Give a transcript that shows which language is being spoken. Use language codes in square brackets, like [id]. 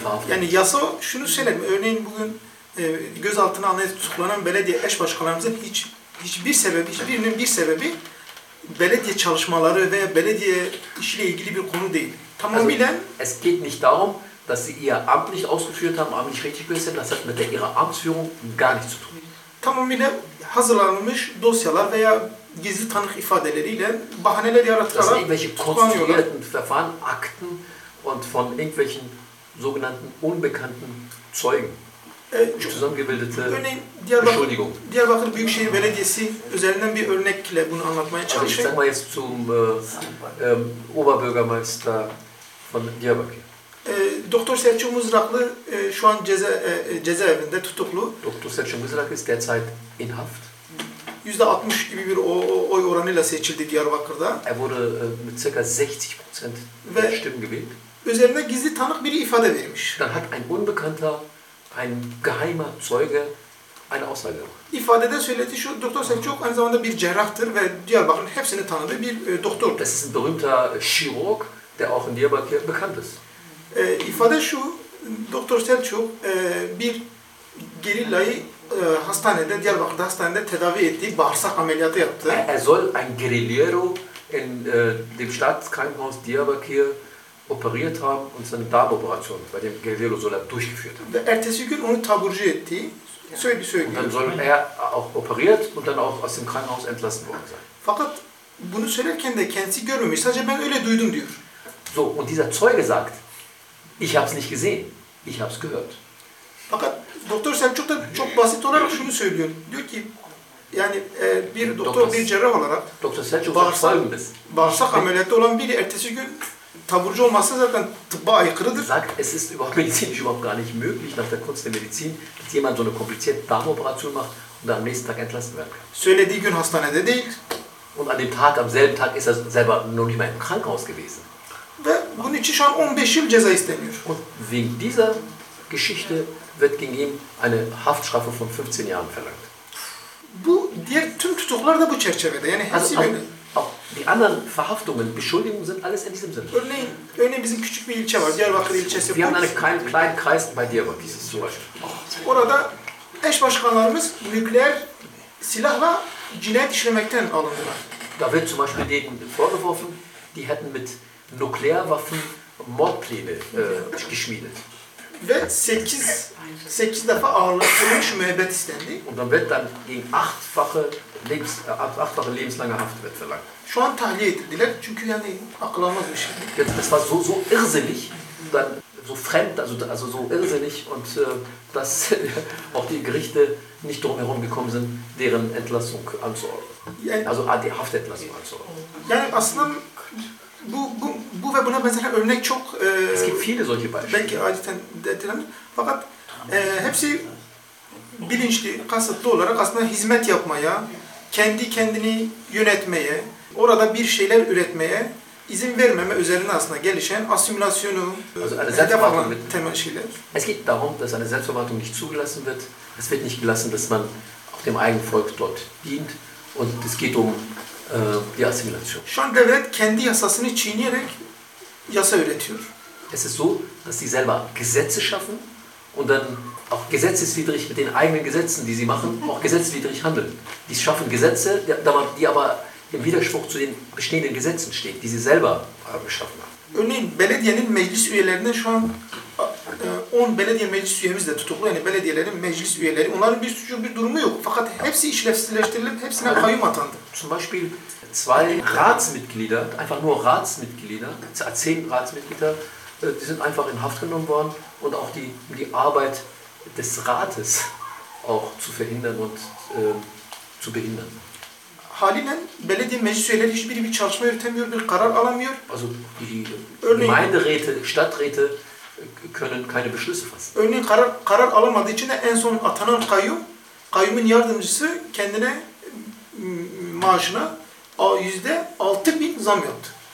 [tr] Yani yasa şunu söyleyeyim. Örneğin bugün gözaltına alınan tutuklanan belediye eş başkanlarımızın hiçbirinin bir sebebi belediye çalışmaları ve belediye işiyle ilgili bir konu değil. Tamamıyla [de] es geht nicht darum, dass sie ihr Amt nicht ausgeführt haben, aber nicht richtig gewesen, das hat mit ihrer Amtsführung gar nichts zu tun. [tr] Tamamıyla hazırlanmış dosyalar veya gizli tanık ifadeleriyle bahaneler yaratarak tutuklanıyorlar. [de] Akten und von irgendwelchen sogenannten unbekannten Zeugen zusammengebildete Beschuldigung. [tr] Diyarbakır Büyükşehir Belediyesi üzerinden bir örnekle bunu anlatmaya çalışıyorum. [de] Also ich sag mal jetzt zum Oberbürgermeister von Diyarbakır. [tr] Doktor Selçuk Mızraklı şu an cezaevinde tutuklu. [de] Doktor Selçuk Mızraklı ist derzeit in Haft. [tr] %60 gibi bir oy oranıyla seçildi Diyarbakır'da. [de] Wurde mit ca. 60% der Stimmen gewählt. [tr] Üzerine gizli tanık biri ifade vermiş. [de] Dann hat ein unbekannter, ein geheimer Zeuge eine Aussage gemacht. [tr] İfadede söyledi şu, Doktor Selçuk aynı zamanda bir cerrahtır ve Diyarbakır'ın hepsini tanıdığı bir doktor. [de] Das ist ein berühmter Chirurg, der auch in Diyarbakır bekannt ist. [tr] İfade şu, Doktor Selçuk bir gerillayı hastanede, Diyarbakır'da hastanede tedavi ettiği bağırsak ameliyatı yaptı. [de] Er soll ein Guerillero in dem Staatskrankenhaus Diyarbakır operiert haben und seine Darmoperation bei dem Guerillero soll er durchgeführt haben. [tr] Ertesi gün onu taburcu etti. Söyledi. [de] Und dann soll er auch operiert und dann auch aus dem Krankenhaus entlassen worden sein. [tr] Fakat bunu söylerken de kendisi görmemiş. Sadece ben öyle duydum diyor. [de] So, und dieser Zeuge sagt, ich habe es nicht gesehen, ich habe es gehört. [tr] Fakat Doktor Selçuk da çok basit olarak şunu söylüyor. Diyor ki, yani bir doktor, bir cerrah olarak Doktor Selçuk bağırsak ameliyatı olan biri ertesi gün taburcu olmazsa zaten tıbba aykırıdır. [de] Sagt, es ist überhaupt medizinisch überhaupt gar nicht möglich nach der Kunst der Medizin, dass jemand so eine komplizierte Darmoperation macht und am nächsten Tag entlassen werden kann. [tr] Söylediği gün hastanede değil. [de] Und an dem Tag, am selben Tag ist er selber noch nicht mal im Krankenhaus gewesen. [tr] Ve bunun için şu an 15 yıl ceza isteniyor. [de] Und wegen dieser Geschichte wird gegen ihn eine Haftstrafe von 15 Jahren verlangt. [tr] Bu diğer tüm tutuklar da bu çerçevede. Yani hepsi böyle. [de] Die anderen Verhaftungen, Beschuldigungen sind alles in diesem Sinne. [tr] Örneğin bizim küçük bir ilçe var. Diyarbakır ilçesi. [de] Wir haben einen kleinen Kreis bei Diyarbakır. Zum Beispiel. [tr] Orada eş başkanlarımız nükleer silahla cinayet işlemekten alındılar. [de] Da wird zum Beispiel denen vorgeworfen, die hätten mit Nuklearwaffen Mordpläne geschmiedet. [tr] Ve 8 defa ağırlaştırılmış müebbet istendi. [de] Und dann wird dann gegen 8-fache lebenslange Haft wird verlangt. [tr] Şu an tahliye edildiler çünkü yani akıl almaz bir şey. [de] Das war so irrsinnig, dann so fremd, also so irrsinnig und dass auch die Gerichte nicht drumherum gekommen sind, deren Entlassung anzuordnen. Also die Haftentlassung anzuordnen. [tr] Yani aslında bu ve buna benzer örnek çok [de] es gibt viele solche Beispiele. [tr] Belki ayrıca detaylı. Fakat hepsi bilinçli, kasıtlı olarak aslında hizmet yapmaya, kendi kendini yönetmeye, orada bir şeyler üretmeye izin vermeme üzerine aslında gelişen asimilasyonu hedef alan temel şeyler. [de] Es geht darum, dass eine Selbstverwaltung nicht zugelassen wird. Es wird nicht gelassen, dass man auch dem eigenen Volk dort dient. Und es geht um die Assimilation. [tr] Şu an devlet kendi yasasını çiğneyerek yasa üretiyor. [de] Es ist so, dass sie selber Gesetze schaffen und dann auch gesetzeswidrig mit den eigenen Gesetzen, die sie machen, auch gesetzwidrig handeln. Die schaffen Gesetze, die aber im Widerspruch zu den bestehenden Gesetzen stehen, die sie selber geschaffen haben. [tr] Örneğin belediyenin meclis üyelerinden şu an 10 belediye meclis üyemiz de tutuklu. Yani belediyelerin meclis üyeleri. Onların bir suçu, bir durumu yok. Fakat hepsi işlevsizleştirilip hepsine kayyum atandı. [de] Zum Beispiel zwei Ratsmitglieder, einfach nur Ratsmitglieder, 10 Ratsmitglieder, die sind einfach in Haft genommen worden. Und auch die Arbeit des Rates auch zu verhindern und zu behindern. [tr] Halinen belediye meclis üyeleri hiçbiri bir çalışma yürütemiyor, bir karar alamıyor. [de] Also Gemeinderäte, Stadträte können keine Beschlüsse fassen. [tr] Örneğin karar alamadığı için de en son atanan kayyumun yardımcısı kendine maaşına %6.000 zam yaptı.